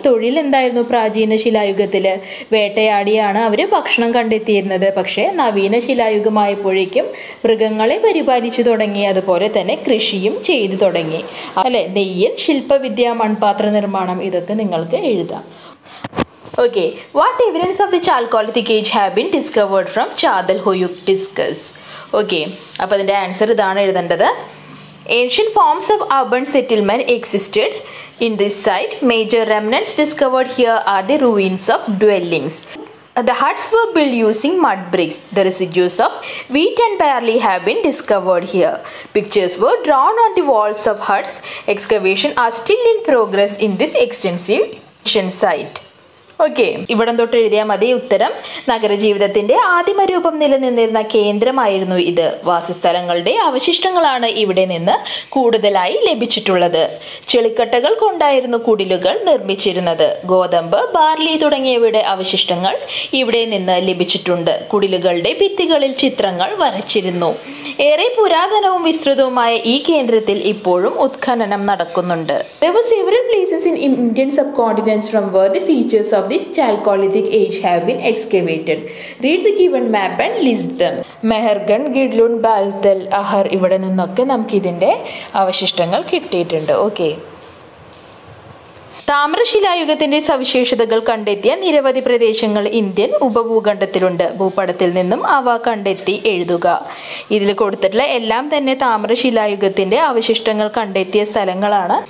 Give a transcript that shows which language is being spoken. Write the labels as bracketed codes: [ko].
[ml] തൊഴിൽ എന്തായിരുന്നു പ്രാചീന ശിലായുഗത്തിൽ? വേട്ടയാടിയാണ് അവർ ഭക്ഷണം കണ്ടെത്തിയിരുന്നത്. പക്ഷേ നവീന ശിലായുഗമായപ്പോഴേക്കും മൃഗങ്ങളെ പരിപാലിച്ചു തുടങ്ങി, അതുപോലെ തന്നെ കൃഷിയും ചെയ്തു തുടങ്ങി. അല്ലെ, നെയ്യൽ, ശില്പവിദ്യ, മൺപാത്ര നിർമ്മാണം, ഇതൊക്കെ നിങ്ങൾക്ക് എഴുതാം. [en] Okay, what evidence of the chalcolithic age have been discovered from Chadalhoyuk discus? Okay, [ml] appo indha answer idana ezhudandathu. [en] Ancient forms of urban settlement existed in this site. Major remnants discovered here are the ruins of dwellings. The huts were built using mud bricks. The residues of wheat and barley have been discovered here. Pictures were drawn on the walls of huts. Excavation are still in progress in this extensive ancient site. [ml] Okay, ഇവിടം തൊട്ട് എഴുതിയാൽ മതി ഉത്തരം. നഗരജീവിതത്തിൻ്റെ ആദിമ രൂപം നിലനിന്നിരുന്ന കേന്ദ്രമായിരുന്നു ഇത്. വാസസ്ഥലങ്ങളുടെ അവശിഷ്ടങ്ങളാണ് ഇവിടെ നിന്ന് കൂടുതലായി ലഭിച്ചിട്ടുള്ളത്. ചെളിക്കട്ടകൾ കൊണ്ടായിരുന്നു കുടിലുകൾ നിർമ്മിച്ചിരുന്നത്. ഗോതമ്പ്, ബാർലി തുടങ്ങിയവയുടെ അവശിഷ്ടങ്ങൾ ഇവിടെ നിന്ന് ലഭിച്ചിട്ടുണ്ട്. കുടിലുകളുടെ ഭിത്തികളിൽ ചിത്രങ്ങൾ വരച്ചിരുന്നു. ഏറെ പുരാതനവും വിസ്തൃതവുമായ ഈ കേന്ദ്രത്തിൽ ഇപ്പോഴും ഉത്ഖനനം നടക്കുന്നുണ്ട്. [en] There were several places in Indian subcontinent from where the features of the Chalcolithic age have been excavated. Read the given map and list them. [ml] Mehrgarh, Gidlun, Baltal, Ahar, ഇവിടെ നിന്നൊക്കെ നമുക്ക് ഇതിൻ്റെ അവശിഷ്ടങ്ങൾ കിട്ടിയിട്ടുണ്ട്. ഓക്കെ, താമ്രശിലായുഗത്തിൻ്റെ സവിശേഷതകൾ കണ്ടെത്തിയ നിരവധി പ്രദേശങ്ങൾ ഇന്ത്യൻ ഉപഭൂഖണ്ഡത്തിലുണ്ട്. ഭൂപടത്തിൽ നിന്നും അവ കണ്ടെത്തി എഴുതുക. ഇതിൽ കൊടുത്തിട്ടുള്ള എല്ലാം തന്നെ താമ്രശിലായുഗത്തിൻ്റെ അവശിഷ്ടങ്ങൾ കണ്ടെത്തിയ സ്ഥലങ്ങളാണ്.